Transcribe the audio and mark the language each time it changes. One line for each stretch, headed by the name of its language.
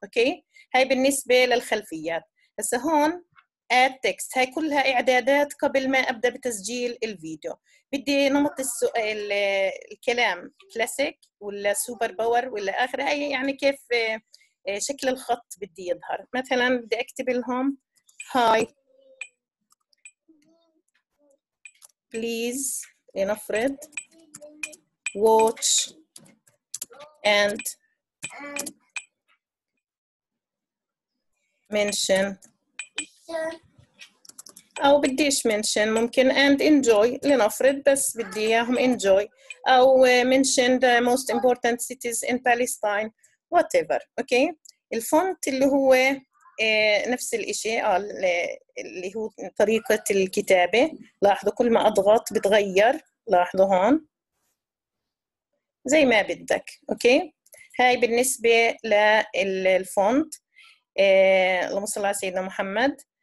Arabic: أوكي، هاي بالنسبة للخلفيات. بس هون
English: Add Text،
Arabic: هاي كلها إعدادات قبل ما أبدأ بتسجيل الفيديو. بدي نمط السؤال الكلام كلاسيك ولا سوبر باور ولا آخر، هاي يعني كيف شكل الخط بدي يظهر. مثلا بدي أكتب لهم هاي
English: Please
Arabic: لنفرض
English: watch and mention،
Arabic: أو بديش
English: mention، ممكن and enjoy
Arabic: لنفرض، بس بدي إياهم
English: enjoy، أو mention the most important cities in Palestine whatever.
Arabic: أوكي okay. الفونت اللي هو نفس الإشي اللي هو طريقة الكتابة، لاحظوا كل ما أضغط بتغير، لاحظوا هون زي ما بدك. أوكي هاي بالنسبة للفونت، اللهم صل على سيدنا محمد.